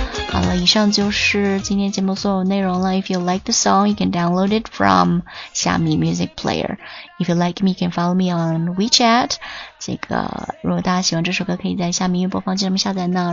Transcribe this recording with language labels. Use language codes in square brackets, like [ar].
[zh] 好了，以上就是今天节目所有内容了。 [en] If you like the song, you can download it from Xiaomi Music Player. If you like me, you can follow me on WeChat. [zh] 这个，如果大家喜欢这首歌，可以在下面音乐播放器上面下载呢。